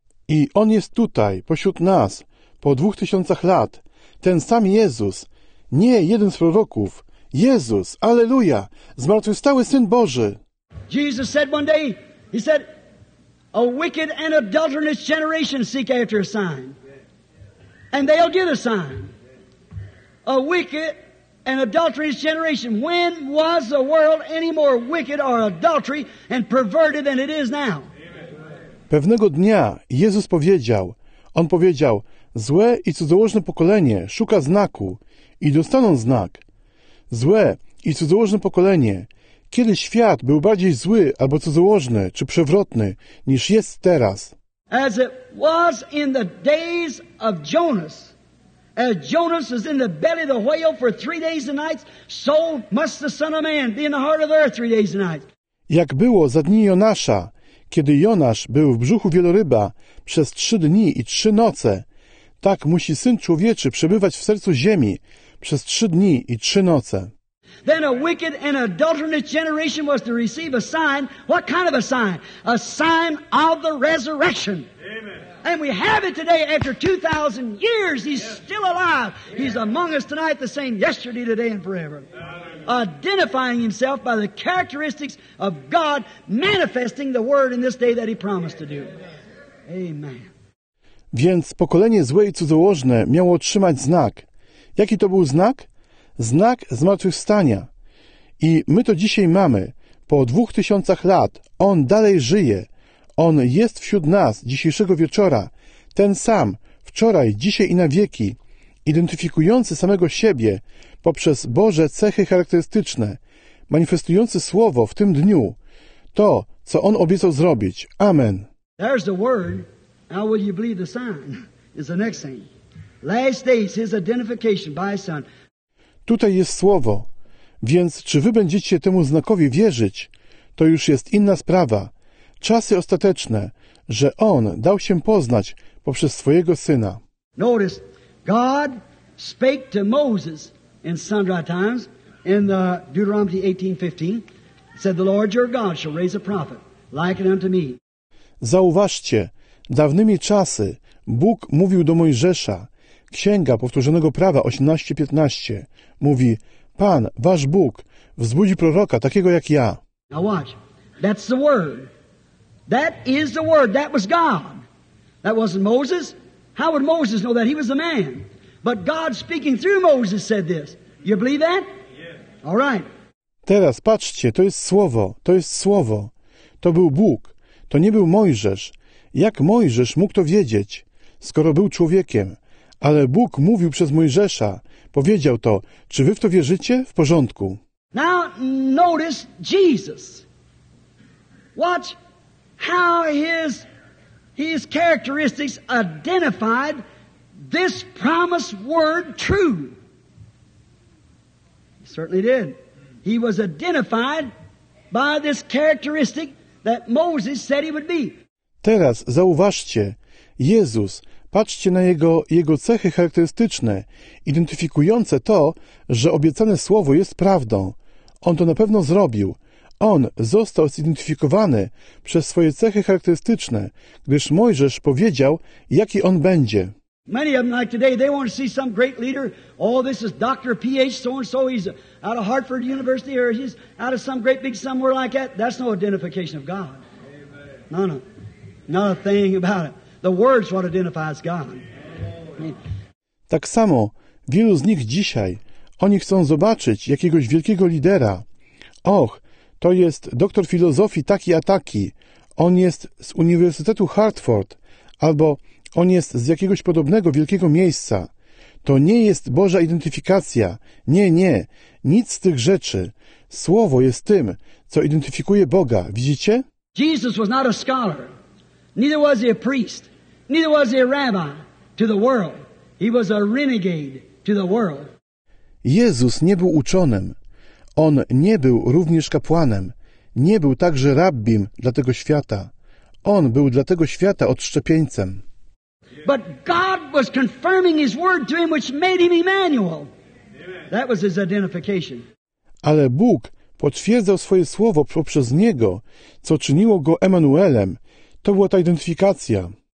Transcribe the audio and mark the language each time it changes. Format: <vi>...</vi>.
<pl>I on jest tutaj, pośród nas, po 2000 lat. Ten sam Jezus, nie jeden z proroków. Jezus, aleluja, zmartwychwstały Syn Boży.</pl> <en>Jesus said one day, he said, a wicked and adulterous generation seek after a sign, and they'll get a sign. A wicked and adulterous generation. When was the world any more wicked or adultery and perverted than it is now?</en> <pl>Pewnego dnia Jezus powiedział, on powiedział, złe i cudzołożne pokolenie szuka znaku i dostaną znak. Złe i cudzołożne pokolenie. Kiedy świat był bardziej zły albo cudzołożny czy przewrotny niż jest teraz?</pl> <en>As it was in the days of Jonas. As Jonas was in the belly of the whale for 3 days and nights, so must the Son of Man be in the heart of the earth 3 days and nights.</en> <pl>Jak było za dni Jonasza, kiedy Jonasz był w brzuchu wieloryba przez 3 dni i 3 noce, tak musi Syn Człowieczy przebywać w sercu ziemi przez 3 dni i 3 noce.</pl> <en>Then a wicked and adulterous generation was to receive a sign. What kind of a sign? A sign of the resurrection. Amen. And we have it today after 2,000 years. He's still alive. Amen. He's among us tonight, the same yesterday, today, and forever. Identifying himself by the characteristics of God, manifesting the word in this day that he promised to do. Amen.</en> <pl>Więc pokolenie złe i cudzołożne miało otrzymać znak. Jaki to był znak? Znak zmartwychwstania. I my to dzisiaj mamy. Po 2000 lat on dalej żyje. On jest wśród nas dzisiejszego wieczora. Ten sam, wczoraj, dzisiaj i na wieki, identyfikujący samego siebie poprzez Boże cechy charakterystyczne, manifestujący słowo w tym dniu, to, co on obiecał zrobić. Amen.</pl> <en>There's the word. How will you believe the sign? Is the next thing. Last days, his identification by his son.</en> <pl>Tutaj jest słowo, więc czy wy będziecie temu znakowi wierzyć, to już jest inna sprawa. Czasy ostateczne, że on dał się poznać poprzez swojego syna.</pl> <en>Notice, God spake to Moses in sundry times, in the Deuteronomy 18:15, said, the Lord your God shall raise a prophet like unto me.</en> <pl>Zauważcie, dawnymi czasy Bóg mówił do Mojżesza. Księga Powtórzonego Prawa 18:15 mówi: Pan, wasz Bóg, wzbudzi proroka takiego jak ja.</pl> <en>Now watch. That's the word. That is the word. That was God. That wasn't Moses. How would Moses know that? He was a man. But God speaking through Moses said this. You believe that? Yeah. All right.</en> <pl>Teraz patrzcie, to jest słowo. To jest słowo. To był Bóg. To nie był Mojżesz. Jak Mojżesz mógł to wiedzieć, skoro był człowiekiem? Ale Bóg mówił przez Mojżesza. Powiedział to. Czy wy w to wierzycie? W porządku.</pl> <en>Now notice Jesus. Watch how his characteristics identified this promised word true. He certainly did. He was identified by this characteristic that Moses said he would be.</en> <pl>Teraz zauważcie. Jezus, patrzcie na jego cechy charakterystyczne, identyfikujące to, że obiecane słowo jest prawdą. On to na pewno zrobił. On został zidentyfikowany przez swoje cechy charakterystyczne, gdyż Mojżesz powiedział, jaki on będzie.</pl> <en>Many of them like today, they want to see some great leader. Oh, this is Dr. P.H. so-and-so, he's out of Hartford University, or he's out of some great big somewhere like that. That's no identification of God. Amen. Not a thing about it. The word's what identifies God.</en> <pl>Tak samo wielu z nich dzisiaj, oni chcą zobaczyć jakiegoś wielkiego lidera. Och, to jest doktor filozofii taki a taki. On jest z Uniwersytetu Hartford. Albo On jest z jakiegoś podobnego wielkiego miejsca. To nie jest Boża identyfikacja. Nie, nie. Nic z tych rzeczy. Słowo jest tym, co identyfikuje Boga. Widzicie?</pl> <en>Jesus was not a scholar. Neither was he a priest. Neither was he a rabbi to the world. He was a renegade to the world.</en> <pl>Jezus nie był uczonym. On nie był również kapłanem. Nie był także rabbim dla tego świata. On był dla tego świata odszczepieńcem.</pl> <en>But God was confirming his word to him, which made him Emmanuel. That was his identification.</en> <pl>Ale Bóg potwierdzał swoje słowo poprzez niego, co czyniło go Emanuelem. To była ta identyfikacja.</pl>